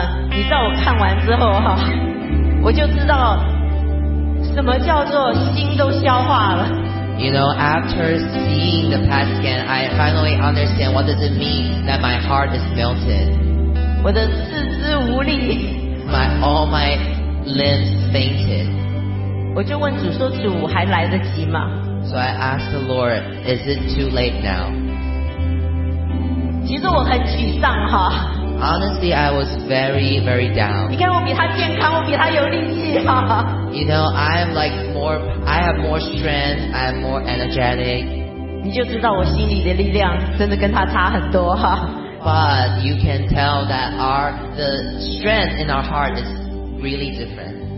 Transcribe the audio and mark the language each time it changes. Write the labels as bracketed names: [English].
[Chinese] 你知道我看完之后哈，我就知道什么叫做心都消化了。 [English] You know, after seeing the test scan, I finally understand what does it mean that my heart is melted. [Chinese] 我的四肢无力。 [English] All my limbs fainted. [Chinese] 我就问主说，主还来得及吗？ [English] So I asked the Lord, is it too late now? [Chinese] 其实我很沮丧哈。 [English] Honestly, I was very, very down. [Chinese] 你看我比他健康，我比他有力气哈。 [English] You know, I'm like more, I have more strength, I'm more energetic. [Chinese] 你就知道我心里的力量真的跟他差很多哈。 [English] But you can tell that the strength in our heart is really different.